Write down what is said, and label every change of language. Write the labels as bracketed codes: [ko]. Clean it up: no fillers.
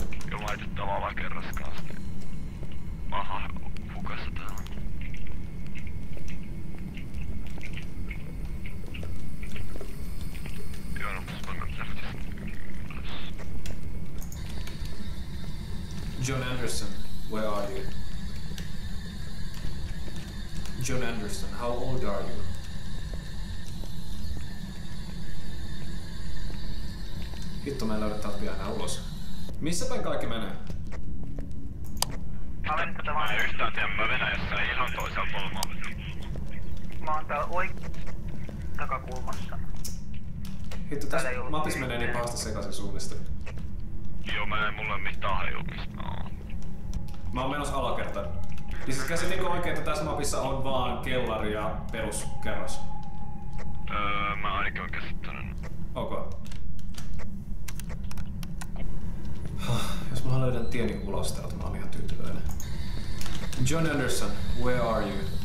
[fi] Joo, mä laitin täällä alakerras kanssa, niin maha hukassa täällä. Joo, no musta mä lähtisin ylös. [en] John Anderson, where are you? John Anderson, how old are you? [fi] Vittu, mä en löydä täältä vielä enää ulos. Missä päin kaikki menee? Mä olen tätä vaan. Mä en yhtään tiedä, mä menen jossain ihan toisella kulmalla. Mä oon täällä oikein takakulmassa. Hittu, tässä mapis menee niin pahasta sekaisin suunnista. Joo, mä en mulle mitään hajua, missä mä oon. Mä oon menossa alakertaan. Niin siis käsin niinku oikein, että tässä mapissa on vaan kellari ja peruskerros. Mä ainakin oon käsittänyt. [en] Okay. [fi] Jos mä löydän tieni ulos täältä, mä oon ihan tyytyväinen. [en] John Anderson, where are you?